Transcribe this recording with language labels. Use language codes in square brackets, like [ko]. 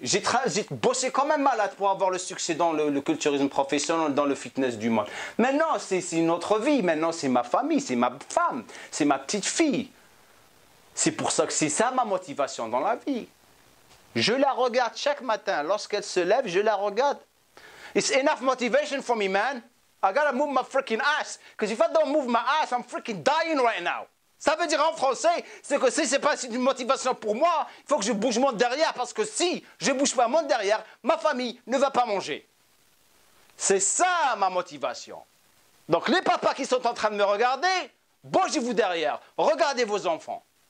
[fr] J'ai bossé comme un malade pour avoir le succès dans le culturisme professionnel, dans le fitness du monde. Maintenant, c'est une autre vie. Maintenant, c'est ma famille, c'est ma femme, c'est ma petite fille. C'est pour ça que c'est ça ma motivation dans la vie. Je la regarde chaque matin. Lorsqu'elle se lève, je la regarde. [en] It's enough motivation for me, man. I gotta move my freaking ass. Because if I don't move my ass, I'm freaking dying right now. [fr] Ça veut dire en français, c'est que si ce n'est pas une motivation pour moi, il faut que je bouge mon derrière, parce que si je ne bouge pas mon derrière, ma famille ne va pas manger. C'est ça ma motivation. Donc les papas qui sont en train de me regarder, bougez-vous derrière, regardez vos enfants.